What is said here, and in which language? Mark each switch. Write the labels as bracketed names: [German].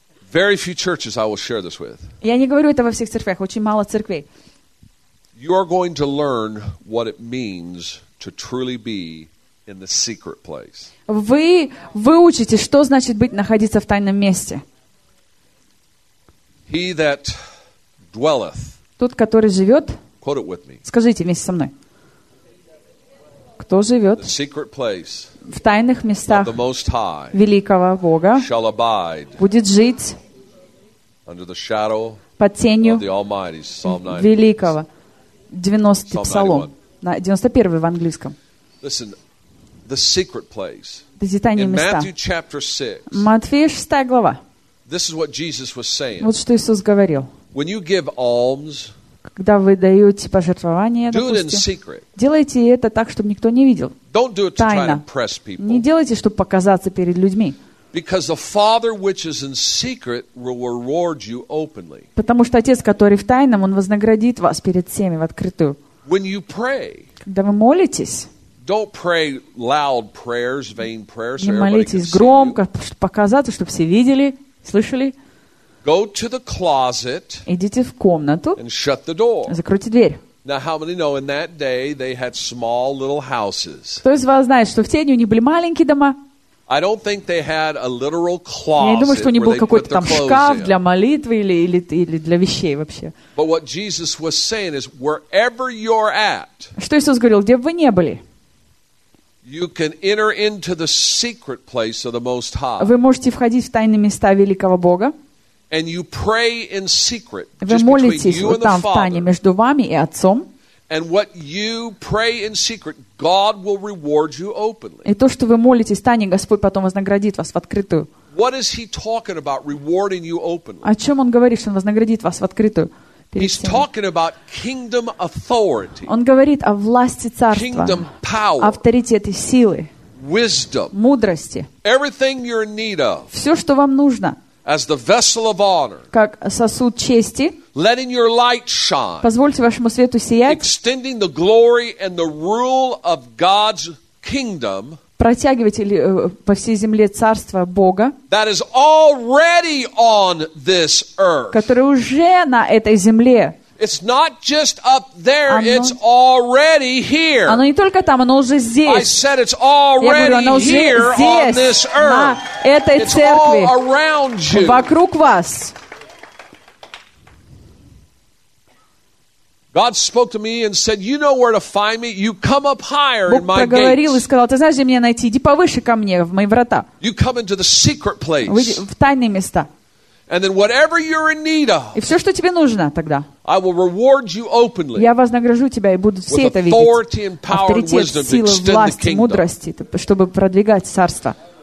[English] Very few churches I will share this with. [Russian] Я не говорю это во всех церквях, очень мало церквей. [English] You are going to learn what it means to truly be in the secret place. [Russian] Вы выучите, что значит быть находиться в тайном месте. [English] He that dwelleth. [Russian] Тот, который живет. [English] Quote it with me. [Russian] Скажите вместе со мной. Кто живет [English] the secret place, [Russian] в тайных местах [English] the most high, [Russian] великого Бога [English] shall abide [Russian] будет жить [English] under the shadow [Russian] под тенью [English] of the Almighty, Psalm 90, [Russian] великого. 90-й псалом. 91-й в английском. [English] Listen, the secret place. [Russian] Эти тайные места. [English] Matthew chapter 6, [Russian] Матфея 6 глава. [English] This is what Jesus was saying. [Russian] Вот что Иисус говорил. [English] When you give alms, [Russian] когда вы даете пожертвования, допустим, делайте это так, чтобы никто не видел. [English] Don't do it to [Russian] тайно. [English] Try to impress people. [Russian] Не делайте, чтобы показаться перед людьми. [English] Because the Father which is in secret will reward you openly. [Russian] Потому что Отец, который в тайном, Он вознаградит вас перед всеми в открытую. [English] When you pray, [Russian] когда вы молитесь, [English] don't pray loud prayers, vain prayers, [Russian] не молитесь громко, чтобы показаться, чтобы все видели, слышали. [English] Go to the closet. [Russian] Идите в комнату. [English] And shut the door. [Russian] Закройте дверь. [English] Now, how many know in that day they had small little houses? [Russian] Кто из вас знает, что в те дни у них были маленькие дома? [English] I don't think they had a literal closet. [Russian] Я не думаю, что у них был какой-то там шкаф для молитвы или для вещей вообще. [English] But what Jesus was saying is, wherever you're at. [Russian] Что Иисус говорил, где бы вы не были? [English] You can enter into the secret place of the Most High. [Russian] Вы можете входить в тайные места великого Бога. [English] And you pray in secret, [Russian] вы молитесь вот там, в тайне, между вами и Отцом. [English] And what you pray in secret, God will reward you openly. [Russian] И то, что вы молитесь в тайне, Господь потом вознаградит вас в открытую. [English] What is he talking about, rewarding you openly? [Russian] О чем он говорит, что он вознаградит вас в открытую? [English] He's talking about kingdom authority. [Russian] Он говорит о власти царства, [English] kingdom power, [Russian] авторитете силы, [English] wisdom, [Russian] мудрости, [English] everything you're in need of. [Russian] Все, что вам нужно. [English] As the vessel of honor, [Russian] как сосуд чести, [English] letting your light shine, [Russian] позвольте вашему свету сиять, [English] extending the glory and the rule of God's kingdom, [Russian] протягивайте по всей земле царство Бога, [English] that is already on this earth, [Russian] которое уже на этой земле. [English] It's not just up there, it's already here. [Russian] Оно не только там, оно уже здесь. [English] I said it's already here on this earth. [Russian] На этой церкви. [English] It's all around you. [Russian] Вокруг вас. [English] God spoke to me and said, you know where to find me, you come up higher [Russian] Бог Бог проговорил и сказал, ты знаешь, где меня найти, иди повыше ко мне, в мои врата. [English] You come into the secret place. [Russian] Выйди в тайные места. [English] And then whatever you're in need of, [Russian] и все, что тебе нужно тогда, [English] I will reward you openly, [Russian] я вознагражу тебя, и будут все это видеть. Авторитет, силы, власть, мудрости, чтобы продвигать царство.